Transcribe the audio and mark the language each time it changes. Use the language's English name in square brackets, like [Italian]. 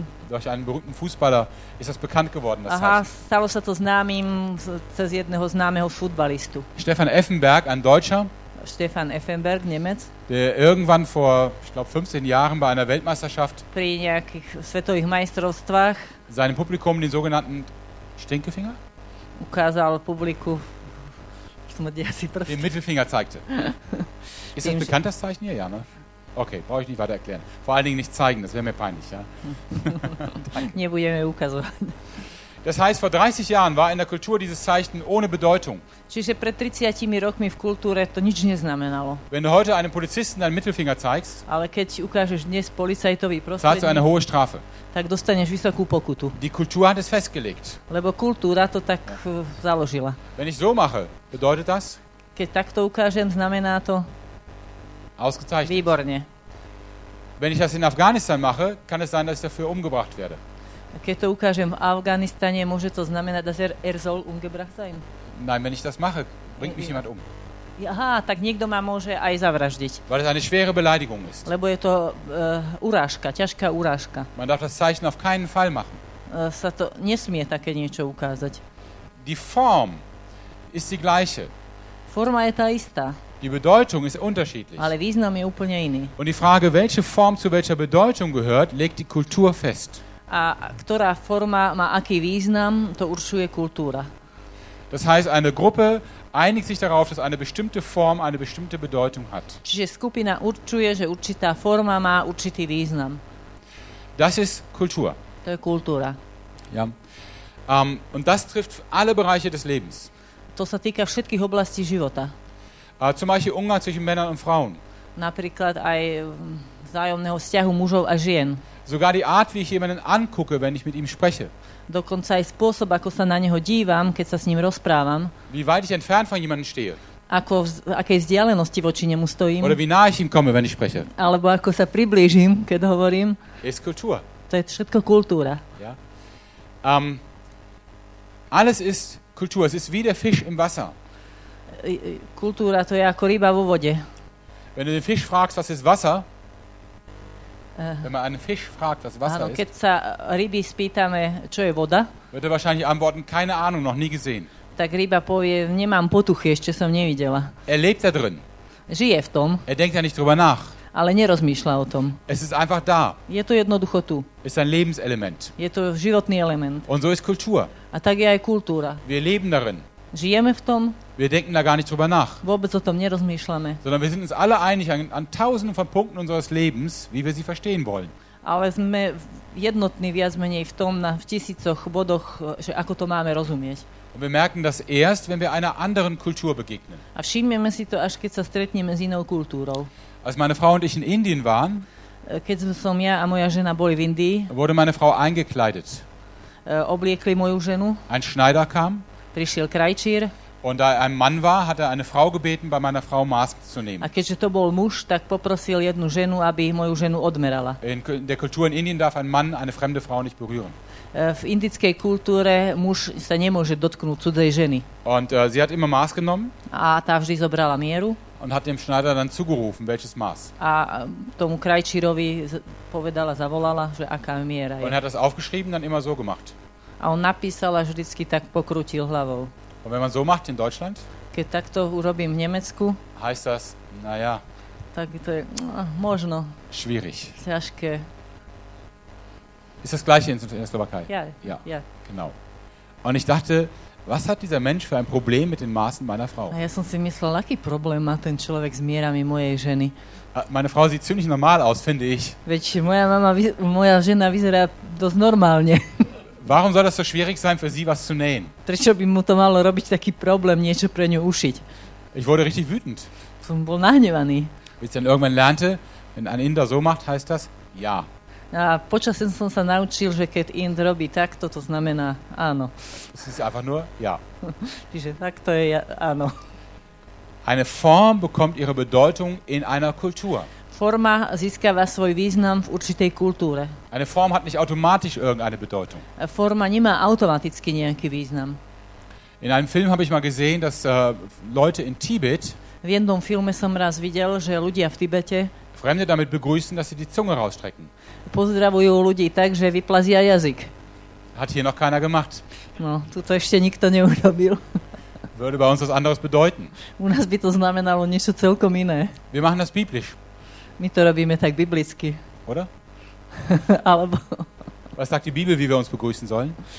[German] Durch einen berühmten Fußballer ist das bekannt geworden, das heißt. [Slovak] Stalo sa to známym cez jedného známeho futbalistu. [German] Stefan Effenberg, ein Deutscher. [Slovak] Stefan Effenberg, Nemec. [German] Der irgendwann vor, ich glaube, 15 Jahren bei einer Weltmeisterschaft [Slovak] pri nejakých svetových majstrovstvách [German] seinem Publikum den sogenannten Stinkefinger [Slovak] ukázal publiku smrdiaci prst. [German] Den Mittelfinger zeigte. Ist das bekannt, das Zeichen hier? Ja, ne? Okay, brauche ich nicht weiter erklären. Vor allen Dingen nicht zeigen, das wäre mir peinlich. Ja? [Slovak] Nebudeme ukazovať. [German] Das heißt, vor 30 Jahren war in der Kultur dieses Zeichen ohne Bedeutung. [Slovak] Čiže pred 30 rokmi v kultúre to nič neznamenalo. [German] Wenn du heute einem Polizisten deinen Mittelfinger zeigst, [Slovak] ale keď ukážeš dnes policajtovi prostredník, [German] zahlasu eine hohe Strafe. [Slovak] Tak dostaneš vysokú pokutu. [German] Die Kultur hat es festgelegt. [Slovak] Lebo kultúra to tak založila. [German] Wenn ich so mache, bedeutet das? [Slovak] Keď takto ukážem, znamená to? [German] Ausgezeichnet. [Slovak] Výborne. [German] Wenn ich das in Afghanistan mache, kann es sein, dass ich dafür umgebracht werde. [Slovak] Keď to ukážem v Afganistane, môže to znamenať, [German] dass er soll umgebracht sein? Nein, wenn ich das mache, bringt mich jemand um. [Slovak] Aha, tak niekto ma môže aj zavraždiť. [German] Weil es eine schwere Beleidigung ist. [Slovak] Lebo je to urážka, ťažká urážka. [German] Man darf das Zeichen auf keinen Fall machen. [Slovak] Sa to nesmie také niečo ukázať. [German] Die Form ist die gleiche. [Slovak] Forma je tá istá. [German] Die Bedeutung ist unterschiedlich. [Slovak] Ale význam je úplne iný. [German] Und die Frage, welche Form zu welcher Bedeutung gehört, legt die Kultur fest. [Slovak] A ktorá forma má aký význam, to určuje kultúra. [German] Das heißt, eine Gruppe einigt sich darauf, dass eine bestimmte Form eine bestimmte Bedeutung hat. [Slovak] Čiže skupina určuje, že určitá forma má určitý význam. [German] Das ist Kultur. [Slovak] To je kultúra. [German] Ja. Und das trifft alle Bereiche des Lebens. [Slovak] To sa týka všetkých oblastí života. [German] Zum Beispiel Umgang zwischen Männern und Frauen. [Slovak] Napríklad aj vzájomného vzťahu mužov a žien. [German] Sogar die Art, wie ich jemanden angucke, wenn ich mit ihm spreche. [Slovak] Dokonca aj spôsob, ako sa na neho dívam, keď sa s ním rozprávam. [German] Wie weit ich entfernt von jemandem stehe. [Slovak] Ako v akej vzdialenosti voči nemu stojím. [German] Oder wie nah ich ihm komme, wenn ich spreche. [Slovak] Alebo ako sa priblížim, keď hovorím. [German] Ist Kultur. [Slovak] To je všetko kultúra. [German] Ja. Alles ist Kultur. Es ist wie der Fisch im Wasser. [Slovak] Kultúra to je ako ryba vo vode. [German] Wenn du den Fisch fragst, was ist Wasser? Wenn man einen Fisch fragt, was Wasser ist. [Slovak] Keď sa ryby spýtame, čo je voda? [German] Wird er wahrscheinlich antworten, keine Ahnung, noch nie gesehen. [Slovak] Tak ryba povie, nemám potuchy, ešte som nevidela. [German] Er lebt da drin. [Slovak] Žije v tom. [German] Er denkt ja nicht drüber nach. [Slovak] Ale nerozmýšľa o tom. [German] Es ist einfach da. [Slovak] Je to jednoducho tu. [German] Ist ein Lebenselement. [Slovak] Je to životný element. [German] Und so ist Kultur. [Slovak] A tak je aj kultúra. [German] Wir leben darin. [Slovak] Žijeme v tom. [German] Wir denken da gar nicht drüber nach. [Slovak] Vôbec o tom nerozmýšľame. [German] Sondern wir sind uns alle einig an tausenden von Punkten unseres Lebens, wie wir sie verstehen wollen. [Slovak] Ale sme jednotní viac menej v tom, v tisícoch bodoch, že ako to máme rozumieť. [German] Und wir merken das erst, wenn wir einer anderen Kultur begegnen. [Slovak] A všimneme si to, až keď sa stretneme s inou kultúrou. [German] Als meine Frau und ich in Indien waren, [Slovak] keď som ja a moja žena boli v Indii, [German] wurde meine Frau eingekleidet. [Slovak] Obliekli moju ženu. [German] Ein Schneider kam. [Slovak] Prišiel krajčír. [German] Und da er ein Mann war, hat er eine Frau gebeten, bei meiner Frau Maß zu nehmen. [Slovak] A keďže to bol muž, tak poprosil jednu ženu, aby moju ženu odmerala. [German] In der Kultur in Indien darf ein Mann eine fremde Frau nicht berühren. [Slovak] V indickej kultúre muž sa nemôže dotknúť cudzej ženy. [German] Und sie hat immer Maß genommen. [Slovak] A tá vždy zobrala mieru. [German] Und hat dem Schneider dann zugerufen, welches Maß. [Slovak] A tomu krajčírovi povedala, zavolala, že aká miera je. [German] Und hat das aufgeschrieben, dann immer so gemacht. [Slovak] A on napísal a vždycky tak pokrútil hlavou. [German] Und wenn man so macht in Deutschland, [Slovak] keď takto urobím v Nemecku, [German] heißt das, naja, [Slovak] tak to je, možno, [German] schwierig. [Slovak] Ťažké. [German] Ist das gleiche in der Slowakei? Ja. Ja, ja. Genau. Und ich dachte, was hat dieser Mensch für ein Problem mit den Maßen meiner Frau? [Slovak] A ja som si myslel, aký problém má ten človek s mierami mojej ženy. [German] Meine Frau sieht ziemlich normal aus, finde ich. [Slovak] Veď moja mama, moja žena vyzerá dosť normálne. [German] Warum soll das so schwierig sein für sie was zu nähen? [Slovak] Prečo by mu to malo robiť taký problém niečo pre ňu ušiť? [German] Ich wurde richtig wütend. [Slovak] Som bol nahnevaný. [German] Bis dann irgendwann lernte, wenn ein Inder so macht, heißt das ja. [Slovak] A počasem som sa naučil, že keď Ind robí takto, to znamená áno. [German] Das ist einfach nur ja. [Slovak] Čiže takto je ja, áno. [German] Eine Form bekommt ihre Bedeutung in einer Kultur. [Slovak] Forma získava svoj význam v určitej kultúre. [German] Eine Form hat nicht automatisch irgendeine Bedeutung. [Slovak] Forma nemá automaticky nejaký význam. [German] In einem Film habe ich mal gesehen, dass Leute in Tibet. [Slovak] V jednom filme som raz videl, že ľudia v Tibete. [German] Fremde damit begrüßen, dass sie die Zunge rausstrecken. [Slovak] Pozdravujú ľudí tak, že vyplazia jazyk. [German] Hat hier noch keiner gemacht. [Slovak] No, tuto ešte nikto neurobil. [German] Würde bei uns was anderes bedeuten. [Slovak] U nás by to znamenalo niečo celkom iné. [German] Wir machen das biblisch. [Slovak] My to robíme tak biblicky. [German] Oder? [Slovak] Alebo. [German] Was sagt die Bibel, wie wir uns begrüßen sollen?